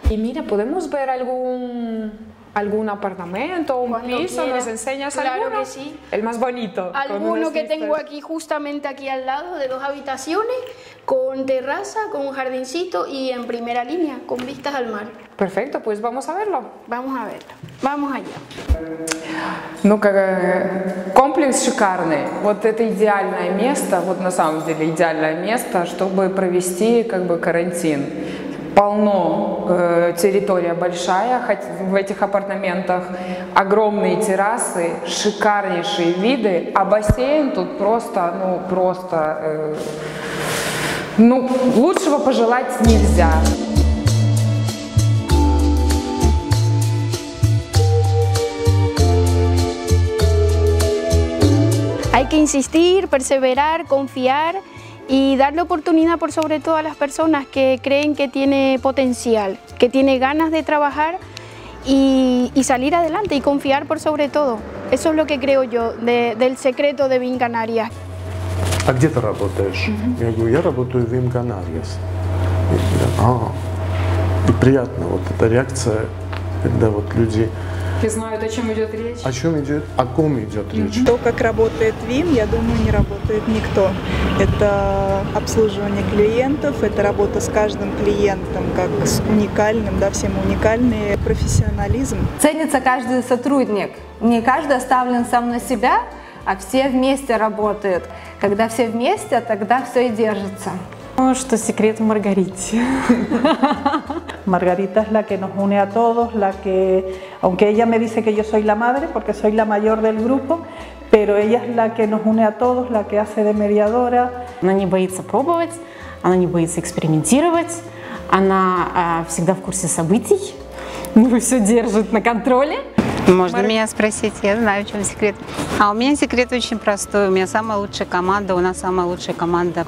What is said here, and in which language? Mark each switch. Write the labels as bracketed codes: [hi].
[es] Y mira, ¿podemos ver algún apartamento, un cuando piso? Quiera. ¿Nos enseñas claro alguno? Que sí. El más bonito. Alguno que tengo aquí, justamente aquí al lado, de dos habitaciones, con terraza, con un jardincito y en primera línea, con vistas al mar. Perfecto, pues vamos a verlo. Vamos a verlo. Vamos allá. [ru] Ну, как комплекс шикарный. Вот это идеальное место, вот на самом деле идеальное место, чтобы провести как бы карантин. Полно, территория большая в этих апартаментах, огромные террасы, шикарнейшие виды, а бассейн тут просто, ну, просто, ну, лучшего пожелать нельзя. [es] Hay que insistir, perseverar, confiar y darle oportunidad por sobre todo a las personas que creen que tiene potencial, que tiene ganas de trabajar y salir adelante y confiar por sobre todo. Eso es lo que creo yo del secreto de Bin Canarias. ¿A dónde trabajas? Yo digo, yo trabajo en Bin Canarias. [ru] Ah, приятно, вот эта реакция, когда вот люди знают, о чем идет речь. О ком идет речь. То, как работает ВИМ, я думаю, не работает никто. Это обслуживание клиентов, это работа с каждым клиентом, как с уникальным, да, всем уникальный профессионализм. Ценится каждый сотрудник. Не каждый оставлен сам на себя, а все вместе работают. Когда все вместе, тогда все и держится. Ну, что секрет Маргарите. [es] Маргарита es la que nos une a todos, la que, aunque ella me dice que yo soy la madre, porque soy la mayor del grupo, pero ella es la que nos une a todos, la que hace de mediadora. [ru] Она не боится пробовать, она не боится экспериментировать, она всегда в курсе событий, ну, все держит на контроле. Можно меня спросить, я знаю, в чем секрет. А у меня секрет очень простой. У меня самая лучшая команда, у нас самая лучшая команда.